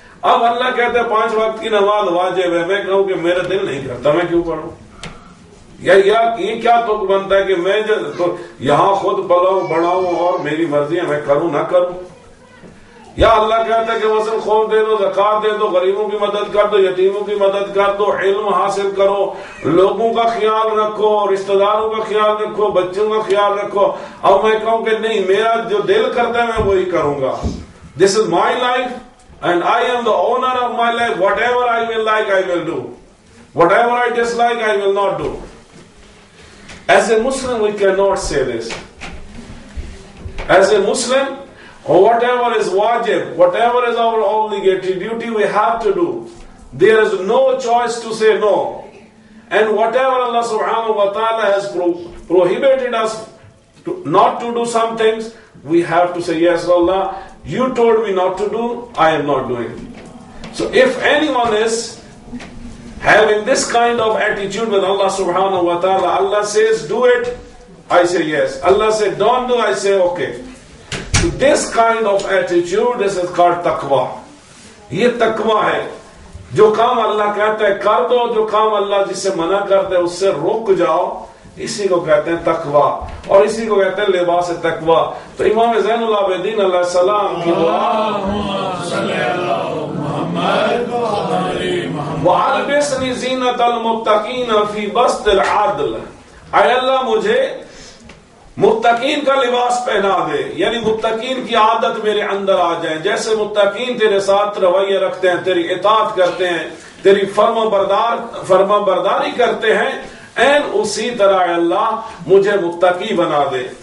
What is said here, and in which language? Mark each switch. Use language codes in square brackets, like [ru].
[ur] اب اللہ کہتے ہیں پانچ وقت کی نماز واجب ہے, میں کہوں کہ میرا دل نہیں کرتا میں کیوں پڑھوں, یا یہ کیا تک بنتا ہے کہ میں جو یہاں خود پلاؤں بڑھاؤں اور میری مرضی ہے میں کروں نہ کروں, یا اللہ کہتا ہے کہ وصل خوف دے دو زکات دے دو غریبوں کی مدد کر دو یتیموں کی مدد کر دو علم حاصل کرو لوگوں کا خیال رکھو رشتہ داروں کا خیال رکھو بچوں کا خیال رکھو. اب میں کہوں کہ نہیں میرا جو دل کرتا ہے میں وہی کروں گا, [en] This is my life and I am the owner of my life, whatever I will like I will do, whatever I dislike I will not do. As a Muslim we can not say this, as a Muslim whatever is wajib, whatever is our obligatory duty we have to do, there is no choice to say no, and whatever Allah subhanahu wa ta'ala has prohibited us to, not to do some things, we have to say yes Allah, you told me not to do, I am not doing. So if anyone is having this kind of attitude with Allah subhanahu wa ta'ala, Allah says do it, I say yes, Allah says don't do, I say okay. This kind of attitude, this is called taqwa. [ur] یہ تقوی ہے, جو کام اللہ کہتا ہے کر دو, جو کام اللہ جس سے منع کرتے اس سے رک جاؤ, اسی کو کہتے ہیں تقوی, اور اسی کو کہتے ہیں لباس تقوی. تو امام زین العابدین علیہ السلام کی دعا [ar] وَعَلْبِسْنِ زِينَةَ الْمُتَّقِينَ فِي بَسْطِ الْعَدْلِ, [ur] اے اللہ مجھے متقین کا لباس پہنا دے, یعنی متقین کی عادت میرے اندر آ جائے, جیسے متقین تیرے ساتھ رویہ رکھتے ہیں تیری اطاعت کرتے ہیں تیری فرما برداری کرتے ہیں, این اسی طرح اللہ مجھے متقی بنا دے.